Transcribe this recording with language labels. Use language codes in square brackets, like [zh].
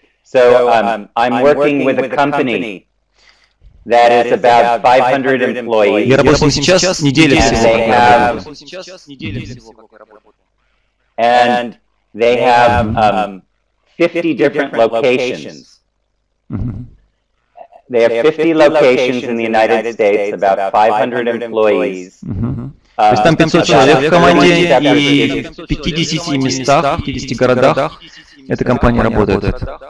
[en] So I'm working with a company that is about 500 employees. [ru] Я работаю сейчас неделю всего. [en] And they have 50 different locations. They have 50 locations in the United States, about 500 employees. [ru] То есть там 500 человек в команде, и в 50 местах, в 50 городах эта компания работает.